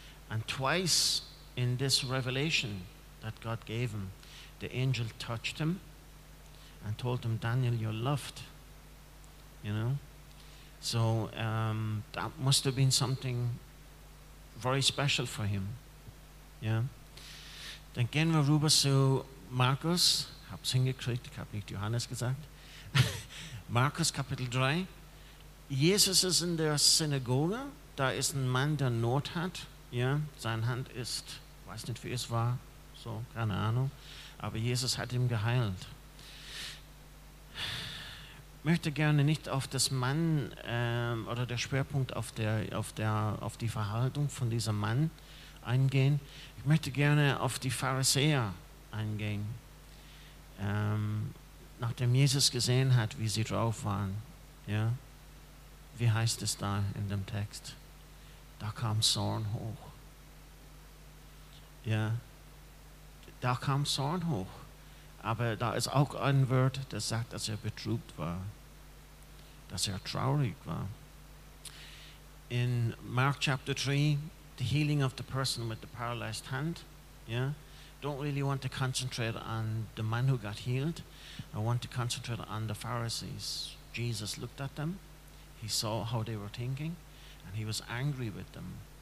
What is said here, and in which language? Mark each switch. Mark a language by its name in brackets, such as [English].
[English] And twice in this revelation that God gave him, the angel touched him and told him, Daniel, you're loved, you know. So that must have been something very special for him, yeah. [German] Dann gehen wir rüber zu Markus, hab's hingekriegt, ich hab nicht Johannes gesagt, Markus Kapitel 3. Jesus ist in der Synagoge, da ist ein Mann, der Not hat, ja, seine Hand ist, weiß nicht, wie es war, so, keine Ahnung, aber Jesus hat ihn geheilt. Ich möchte gerne nicht auf das Mann oder der Schwerpunkt auf die Verhaltung von diesem Mann eingehen, ich möchte gerne auf die Pharisäer eingehen, nachdem Jesus gesehen hat, wie sie drauf waren, ja. Wie heißt es da in dem Text? Da kam Zorn hoch. Ja, da kam Zorn hoch. Aber da ist auch ein Wort, das sagt, dass er betrübt war, dass er traurig war. [English] In Mark Chapter 3, the healing of the person with the paralyzed hand. Yeah, don't really want to concentrate on the man who got healed. I want to concentrate on the Pharisees. Jesus looked at them. He saw how they were thinking, and he was angry with them.